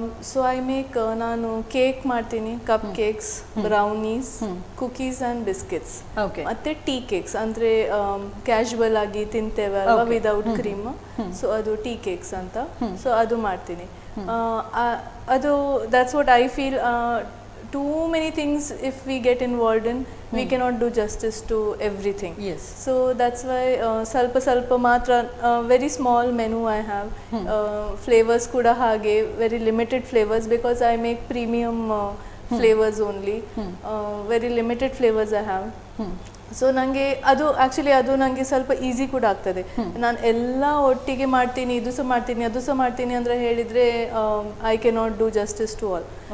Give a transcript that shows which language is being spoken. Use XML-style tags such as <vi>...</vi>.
<en>so I make,</en> <kn>ನಾನು cake ಮಾಡ್ತೀನಿ, cup cakes, brownies, cookies and biscuits, ಮತ್ತೆ tea cakes ಅಂದ್ರೆ ಕ್ಯಾಶುವಲ್ ಆಗಿ ತಿಂತೇವೆ ವಿದೌಟ್ ಕ್ರೀಮ್, ಸೊ ಅದು ಟೀ ಕೇಕ್ಸ್ ಅಂತ. ಸೊ ಅದು ಮಾಡ್ತೀನಿ, ಅದು</kn> <en>That's what I feel. Too many things, if we get involved in, we cannot do justice to everything. Yes. So that's why</en> <kn>salpa salpa matra,</kn> <en>very small menu I have. Flavors</en> <kn>kuda hage,</kn> <en>very limited flavors, because I make premium flavors only. Very limited flavors I have.</en> <kn>So ನನಗೆ ಅದು actually ಅದು ನನಗೆ ಸ್ವಲ್ಪ easy ಕೂಡ ಆಗ್ತದೆ. ನಾನು ಎಲ್ಲ ಒಟ್ಟಿಗೆ ಮಾಡ್ತೀನಿ, ಇದು ಸಹ ಮಾಡ್ತೀನಿ ಅದು ಸಹ ಮಾಡ್ತೀನಿ ಅಂದರೆ ಹೇಳಿದರೆ</kn> <en>I cannot do justice to all.</en>